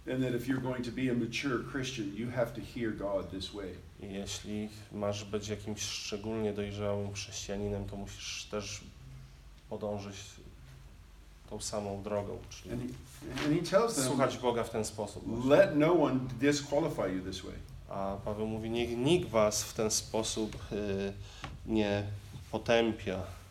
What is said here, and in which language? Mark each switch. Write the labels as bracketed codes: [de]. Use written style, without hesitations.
[en] And that if you're going to be a mature Christian, you have to hear God this way. [pl] Jeśli masz być jakimś szczególnie dojrzałym chrześcijaninem, to musisz też podążyć tą samą drogą, czyli [en] and he tells them, [pl] słuchać Boga w ten sposób. Właśnie. [en] Let no one disqualify you this way. [pl] A Paweł mówi, niech nikt was w ten sposób nie potępia.